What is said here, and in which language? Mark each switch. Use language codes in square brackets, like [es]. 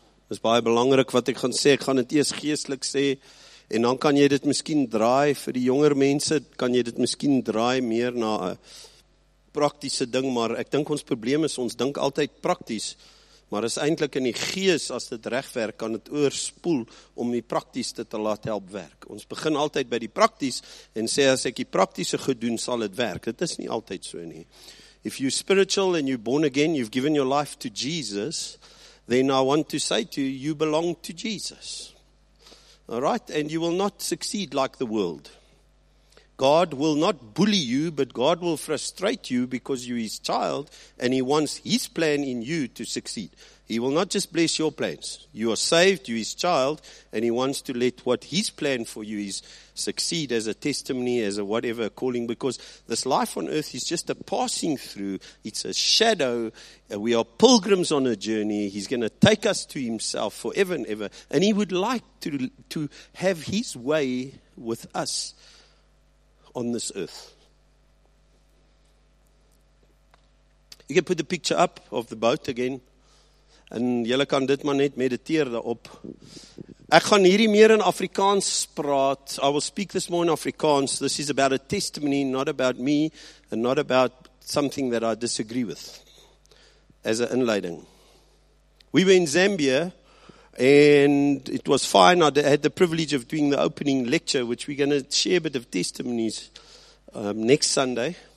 [af] Dis baie belangrik wat ek gaan sê, ek gaan dit eers geestelik sê, en dan kan jy dit miskien draai vir die jonger mense, kan jy dit miskien draai meer na 'n praktiese ding, maar ek dink ons probleem is, ons dink altyd prakties, maar is eintlik in die gees, as dit reg werk, kan dit oorspoel om die praktiese te laat help werk. Ons begin altyd by die prakties en sê, as ek die praktiese goed doen, sal dit werk. Dit is nie altyd so nie. [en] If you're spiritual and you're born again, you've given your life to Jesus, then I want to say to you, you belong to Jesus. All right? And you will not succeed like the world. God will not bully you, but God will frustrate you because you're his child and he wants his plan in you to succeed. He will not just bless your plans. You are saved, you're his child, and he wants to let what his plan for you is succeed as a testimony, as a whatever calling, because this life on earth is just a passing through. It's a shadow. We are pilgrims on a journey. He's going to take us to himself forever and ever. And he would like to have his way with us on this earth. You can put the picture up of the boat again. [af] En julle kan dit maar net mediteer daarop. Ek gaan hierdie meer in Afrikaans praat. [en] I will speak this more in Afrikaans. This is about a testimony, not about me, and not about something that I disagree with. As an inleiding. We were in Zambia, and it was fine. I had the privilege of doing the opening lecture, which we're going to share a bit of testimonies next Sunday.